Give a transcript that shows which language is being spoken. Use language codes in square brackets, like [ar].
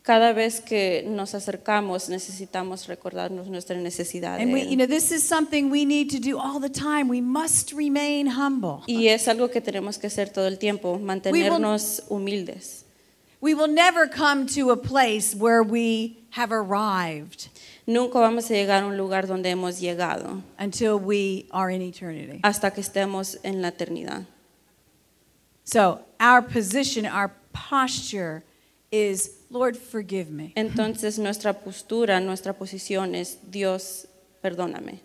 [es] Cada vez que nos acercamos, necesitamos recordarnos nuestra necesidad de él. [en] And we, you know, this is something we need to do all the time. We must remain humble. [es] Y es algo que tenemos que hacer todo el tiempo, mantenernos humildes. [en] We will never come to a place where we have arrived. [es] Nunca vamos a llegar a un lugar donde hemos llegado. [en] Until we are in eternity. [es] Hasta que estemos en la eternidad. [en] So our position, our posture is, Lord, forgive me. [es] Entonces nuestra postura, nuestra posición es, Dios, perdóname.